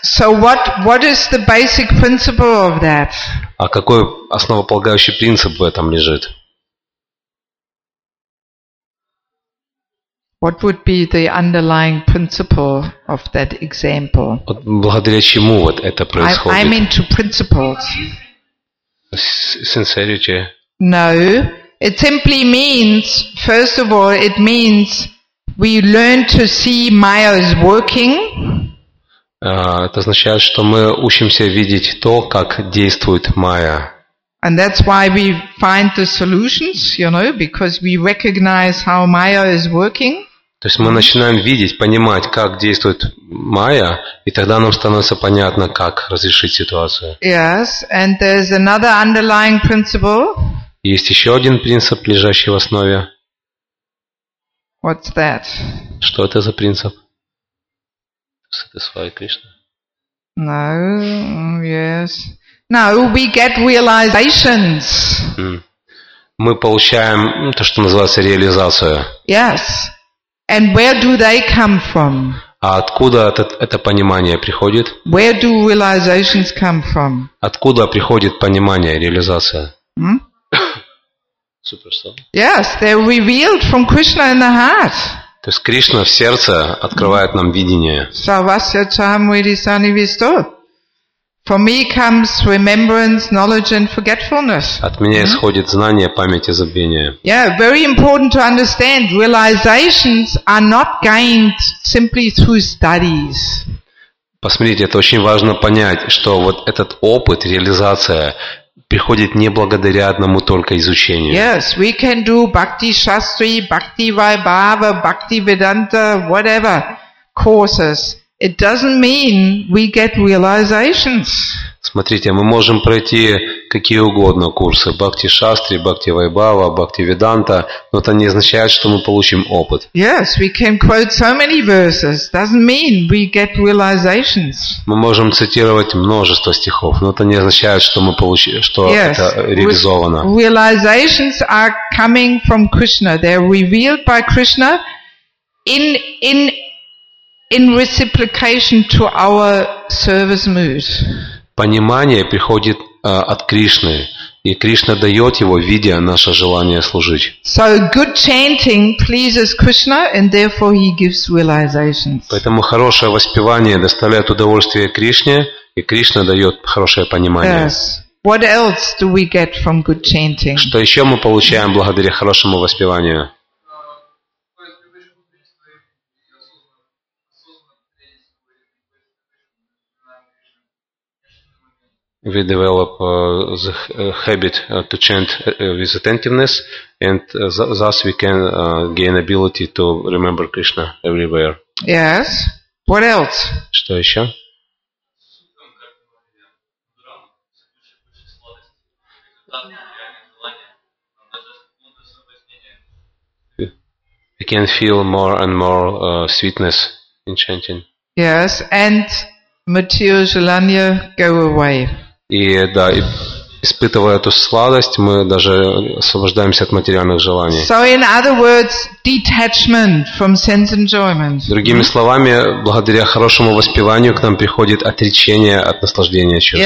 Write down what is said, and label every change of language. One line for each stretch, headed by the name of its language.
English: So what is the basic principle of that?
Russian: А какой основополагающий принцип в этом лежит?
English: What would be the underlying principle of that example?
Russian: Вот благодаря чему вот это происходит?
English: I'm into principles. Sincerity. No, it simply means, first of all, it means we learn to see Maya is working.
Russian: Это означает, что мы учимся видеть то, как действует Maya.
English: And that's why we find the solutions, you know, because we recognize how Maya is working.
Russian: То есть мы начинаем видеть, понимать, как действует Майя, и тогда нам становится понятно, как разрешить ситуацию.
English: Yes, and there's another underlying principle.
Russian: Есть еще один принцип, лежащий в основе.
English: What's that?
Russian: Что это за принцип?
English: Satisfy Krishna. No, yes. No, we get realizations.
Russian: Мы получаем то, что называется реализация.
English: Yes. And where do they come from?
Russian: А откуда это понимание приходит?
English: Where do realizations come from?
Russian: Откуда приходит понимание, реализация?
English: Суперстар. Yes, they're revealed from Krishna in the heart.
Russian: То есть Кришна в сердце открывает нам видение.
Sanskrit: Savasya chamvidi sannivisto.
English: For me comes remembrance, knowledge and forgetfulness.
Russian: От меня исходит знание, память и забвение.
English: Yeah, very important to understand. Realizations are not gained simply through studies.
Russian: Посмотрите, это очень важно понять, что вот этот опыт, реализация приходит не благодаря одному только изучению.
English: Yes, we can do bhakti shastri, bhakti vaibhava, bhakti vedanta, whatever courses. It doesn't mean we get realizations.
Russian: Смотрите, мы можем пройти какие угодно курсы: Бхакти Шастри, Бхакти Вайбава, Бхакти Веданта, но это не означает, что мы получим опыт.
English: Yes, we can quote so many verses. Doesn't mean we get realizations.
Russian: Мы можем цитировать множество стихов, но это не означает, что мы получим, что это реализовано.
English: Yes, realizations are coming from Krishna. They're revealed by Krishna in reciprocation to our service mood.
Russian: Понимание приходит от Кришны, и Кришна дает его, видя наше желание служить.
English: So good chanting pleases Krishna, and therefore he gives realizations.
Russian: Поэтому хорошее воспевание доставляет удовольствие Кришне, и Кришна дает хорошее понимание.
English: Yes. What else do we get from good chanting?
Russian: Что еще мы получаем благодаря хорошему воспеванию?
English: We develop the habit to chant with attentiveness, and thus we can gain ability to remember Krishna everywhere. Yes. What else?
Russian: Что еще?
English: We can feel more and more sweetness in chanting. Yes, and material
Russian: желания
English: go away.
Russian: И да, и испытывая эту сладость, мы даже освобождаемся от материальных желаний.
English: So in other words, detachment from sense enjoyment.
Russian: Другими словами, благодаря хорошему воспеванию к нам приходит отречение от наслаждения чувств.